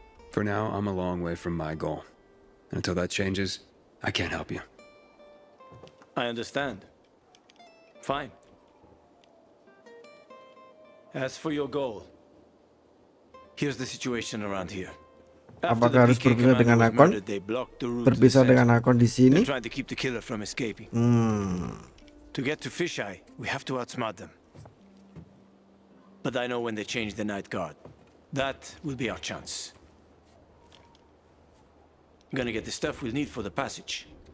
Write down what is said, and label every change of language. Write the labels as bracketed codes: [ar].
[en] For now, I'm a long way from my goal. And until that changes, I can't help you. I understand. Fine. As for your goal, here's the situation around here. [id] Apakah harus berpisah dengan Akon? Berpisah dengan Akon di sini? [en] They're trying to keep the killer from escaping. To get to Fisheye, we have to outsmart them. But I know when they change the night guard, that will be our chance. Gonna get the stuff we'll need for the passage.